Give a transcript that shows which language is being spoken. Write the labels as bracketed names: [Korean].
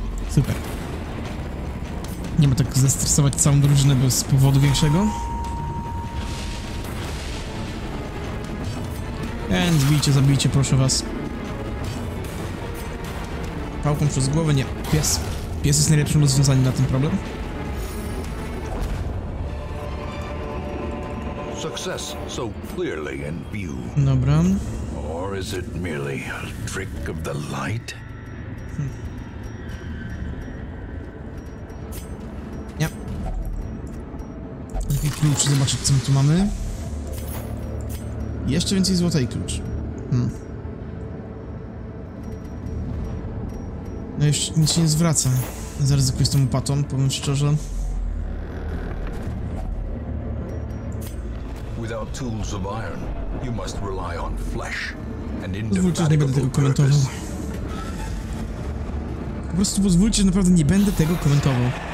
[Polish] Super. Nie ma tak zestresować całą drużynę bez powodu większego. Więc bijcie, zabijcie, proszę was. pałką przez głowę. Nie, pies. Pies jest najlepszym rozwiązaniem na ten problem. [English] Success so clearly in view. [Polish] Dobra. [English] Or is it merely a trick of the light? [Polish] Nie. Jaki klucz, zobaczyć co my tu mamy. Jeszcze więcej złota i klucz. No już nic się nie zwraca. Zaryzykuję z tą łopatą, powiem szczerze. [English] Without tools of iron, you must rely on flesh and indefatigable. [Polish] Nie będę tego komentował. Po prostu pozwólcie, że naprawdę nie będę tego komentował.